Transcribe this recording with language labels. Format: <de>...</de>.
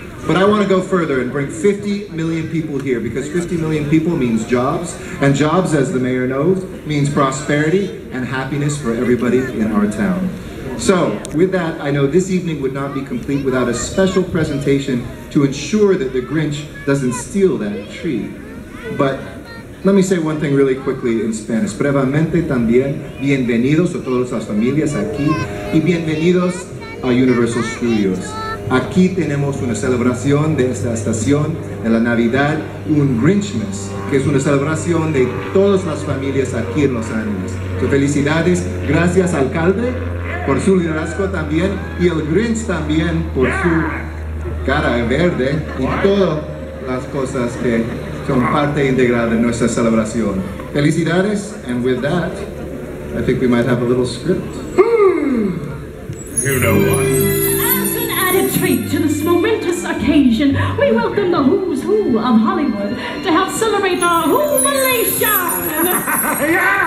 <en>But I want to go further and bring 50 million people here, because 50 million people means jobs, and jobs, as the mayor knows, means prosperity and happiness for everybody in our town. So with that, I know this evening would not be complete without a special presentation to ensure that the Grinch doesn't steal that tree. But let me say one thing really quickly in Spanish.</en> <es>Previamente también, bienvenidos a todas las familias aquí, y bienvenidos a Universal Studios. Aquí tenemos una celebración de esta estación de la Navidad, un Grinchmas, que es una celebración de todas las familias aquí en Los Ángeles.</es> <en>So,</en> <es>felicidades, gracias alcalde por su liderazgo también, y el Grinch también por su cara verde y todas las cosas que son parte integral de nuestra celebración. Felicidades,</es> <en>and with that, I think we might have a little script. You know what? Treat to this momentous occasion, we welcome the who's who of Hollywood to help celebrate the Who-malation. Yeah!</en>